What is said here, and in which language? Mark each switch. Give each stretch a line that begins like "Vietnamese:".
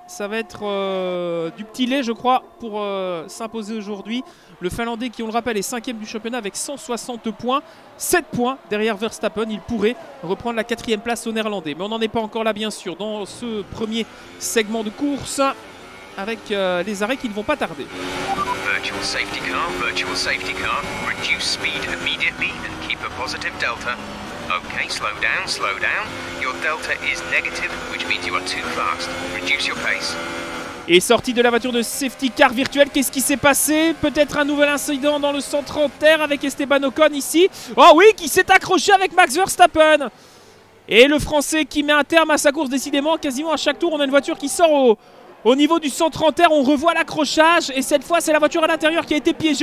French: Ça va être du petit lait, je crois, pour s'imposer aujourd'hui. Le Finlandais, qui, on le rappelle, est 5e du championnat avec 160 points. 7 points derrière Verstappen. Il pourrait reprendre la 4e place au Néerlandais. Mais on n'en est pas encore là, bien sûr, dans ce premier segment de course, avec les arrêts qui ne vont pas tarder.
English: Virtual safety car, virtual safety car. Reduce speed immediately and keep a positive delta. Ok, slow down, slow down. Your delta is negative, which means you are too fast. Reduce your pace.
French: Et sorti de la voiture de safety car virtuel, qu'est-ce qui s'est passé? Peut-être un nouvel incident dans le centre en terre avec Esteban Ocon ici. Oh oui, qui s'est accroché avec Max Verstappen. Et le Français qui met un terme à sa course, décidément, quasiment à chaque tour, on a une voiture qui sort au niveau du centre en terre. On revoit l'accrochage et cette fois, c'est la voiture à l'intérieur qui a été piégée.